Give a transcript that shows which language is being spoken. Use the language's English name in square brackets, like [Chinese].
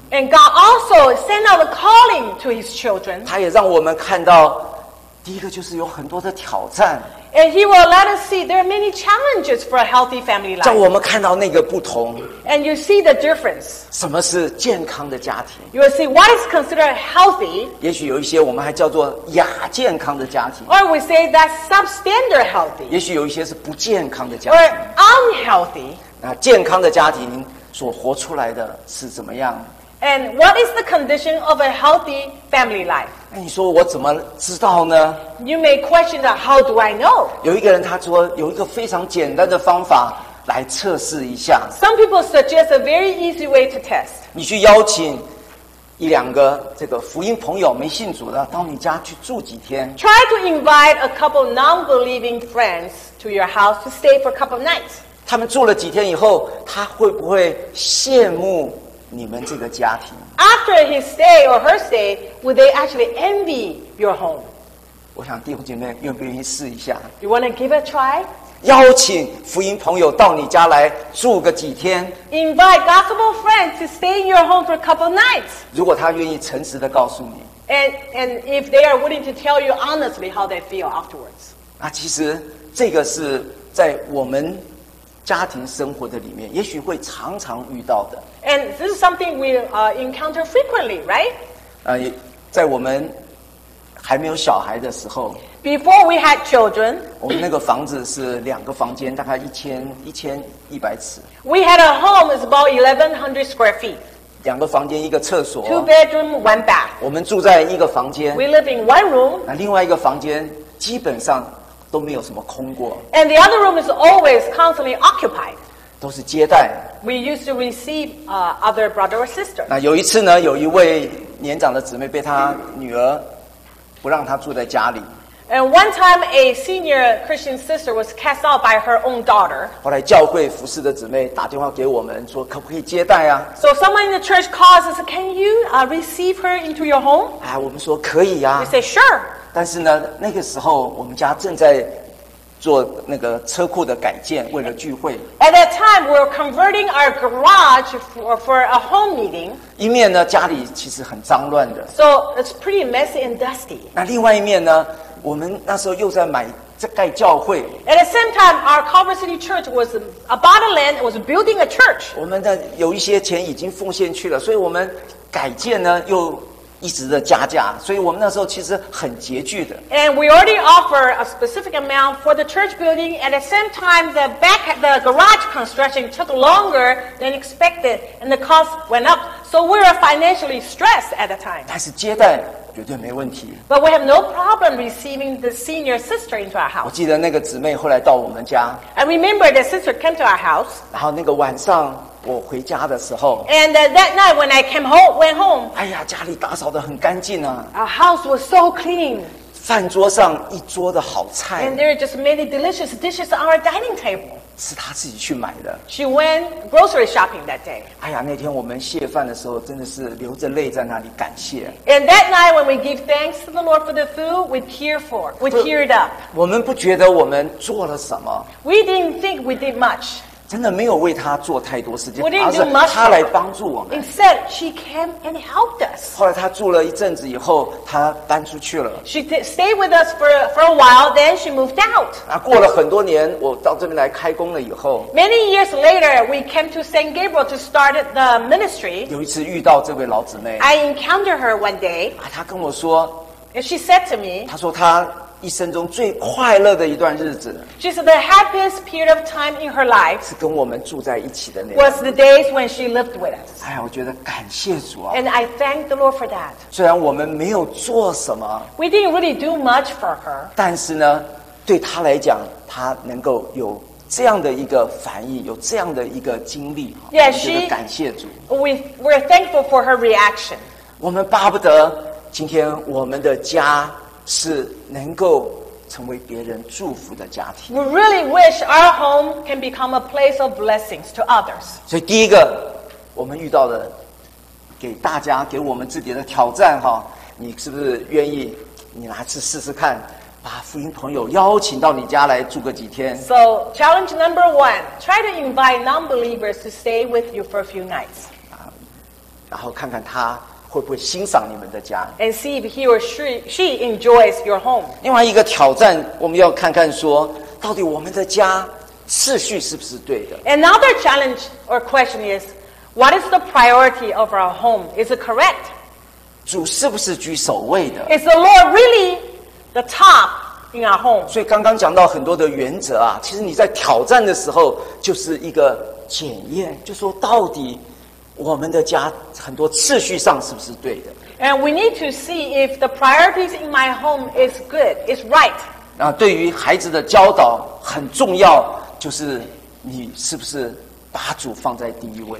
[English] And God also sent out a calling to His children. [Chinese] 他也让我们看到，第一个就是有很多的挑战。 [English] And He will let us see there are many challenges for a healthy family life. [Chinese] 让我们看到那个不同。 [English] And you see the difference. [Chinese] 什么是健康的家庭？ [English] You will see what is considered healthy. [Chinese] 也许有一些我们还叫做亚健康的家庭。 [English] Or we say that's substandard healthy. [Chinese] 也许有一些是不健康的家庭。 [English] Or unhealthy. [Chinese] 那健康的家庭所活出来的是怎么样？ [English] And what is the condition of a healthy family life? [Chinese] 那你说我怎么知道呢 [English] ？You may question that. How do I know? [Chinese] 有一个人他说有一个非常简单的方法来测试一下。 [English] Some people suggest a very easy way to test. [Chinese] 你去邀请一两个这个福音朋友没信主的到你家去住几天。 [English] Try to invite a couple non-believing friends to your house to stay for a couple of nights. [Chinese] 他们住了几天以后，他会不会羡慕你们这个家庭？ [English] After his stay or her stay, would they actually envy your home? [Chinese] 我想弟兄姐妹愿不愿意试一下 [English] ？You want to give a try? [Chinese] 邀请福音朋友到你家来住个几天 [English] ？Invite gospel friends to stay in your home for a couple nights. [Chinese] 如果他愿意诚实的告诉你 [English] ，and if they are willing to tell you honestly how they feel afterwards. [Chinese] 那其实这个是在我们。家庭生活的里面，也许会常常遇到的。 [English] And this is something we encounter frequently, right? [Chinese] 在我们还没有小孩的时候 [English] ，Before we had children， [Chinese] 我们那个房子是两个房间，大概1100尺。 [English] We had a home is about 1100 square feet。 [Chinese] 两个房间，一个厕所。 [English] Two bedroom, one bath。 [Chinese] 我们住在一个房间。 [English] We live in one room。 [Chinese] 那另外一个房间基本上。都没有什么空过。 [English] And the other room is always constantly occupied. [Chinese] 都是接待。 [English] We used to receive other brother or sister. [Chinese] 那有一次呢，有一位年长的姊妹被她女儿不让她住在家里。 [English] And one time, a senior Christian sister was cast out by her own daughter. [Chinese] 后来教会服侍的姊妹打电话给我们说，可不可以接待啊 [English] ？So someone in the church calls us, "Can you receive her into your home?" [Chinese] 哎，我们说可以呀。 [English] We say sure. [Chinese] 但是呢，那个时候我们家正在做那个车库的改建，为了聚会。 [English] At that time, we were converting our garage for a home meeting. [Chinese] 一面呢，家里其实很脏乱的。 [English] So it's pretty messy and dusty. [Chinese] 那另外一面呢？我们那时候又在买在盖教会。 [English] At the same time, our Culver City Church was a bought land, was building a church. [Chinese] 我们的有一些钱已经奉献去了，所以我们改建呢又一直的加价，所以我们那时候其实很拮据的。 [English] And we already offer a specific amount for the church building. At the same time, the garage construction took longer than expected, and the cost went up. So we were financially stressed at the time. [Chinese] 但是接待。绝对没问题。 [English] But we have no problem receiving the senior sister into our house. [Chinese] 我记得那个姊妹后来到我们家。 [English] I remember the sister came to our house. [Chinese] 然后那个晚上我回家的时候。 [English] And that night when I came home, went home. [Chinese] 哎呀，家里打扫得很干净啊。 [English] Our house was so clean. [Chinese] 饭桌上一桌的好菜。 [English] And there are just many delicious dishes on our dining table. [Chinese] 是她自己去买的。 [English] She went grocery shopping that day. [Chinese] 哎呀，那天我们谢饭的时候，真的是流着泪在那里感谢。 [English] And that night when we give thanks to the Lord for the food, we teared up. [Chinese] 我们不觉得我们做了什么。 [English] We didn't think we did much. [Chinese] 真的没有为她做太多事情。 [English] We didn't do much. [Chinese] 她来帮助我们。 [English] Instead, she came and helped us. [Chinese] 后来她住了一阵子以后，她搬出去了。 [English] She stayed with us for a while, then she moved out. [Chinese] 啊，过了很多年，我到这边来开工了以后。 [English] Many years later, we came to San Gabriel to start the ministry. [Chinese] 有一次遇到这位老姊妹。 [English] I encountered her one day. [Chinese] 啊，她跟我说。 [English] And she said to me. [Chinese] 她说她。一生中最快乐的一段日子 [English] She said the happiest period of time in her life [Chinese] 是跟我们住在一起的那 [English] was the days when she lived with us [Chinese] 哎呀我觉得感谢主啊 [English] And I thank the Lord for that [Chinese] 虽然我们没有做什么 [English] We didn't really do much for her [Chinese] 但是呢对她来讲她能够有这样的一个反应有这样的一个经历 [English] Yeah, [Chinese] 我觉得感谢主 [English] We're thankful for her reaction [Chinese] 我们巴不得今天我们的家是能够成为别人祝福的家庭。 [English] We really wish our home can become a place of blessings to others. [Chinese] 所以第一个，我们遇到的给大家给我们自己的挑战哈，你是不是愿意你拿去试试看，把福音朋友邀请到你家来住个几天 [English] ？So challenge number one, try to invite non-believers to stay with you for a few nights. [Chinese] 然后看看他。会不会欣赏你们的家 [English] ？And see if he or she enjoys your home. [Chinese] 另外一个挑战，我们要看看说，到底我们的家次序是不是对的 [English] ？Another challenge or question is, what is the priority of our home? Is it correct? [Chinese] 主是不是居首位的 [English] ？Is the Lord really the top in our home? [Chinese] 所以刚刚讲到很多的原则啊，其实你在挑战的时候就是一个检验，就说到底。我们的家很多次序上是不是对的 [English] ？And we need to see if the priorities in my home is good, is right. [Chinese] 那对于孩子的教导很重要，就是你是不是把主放在第一位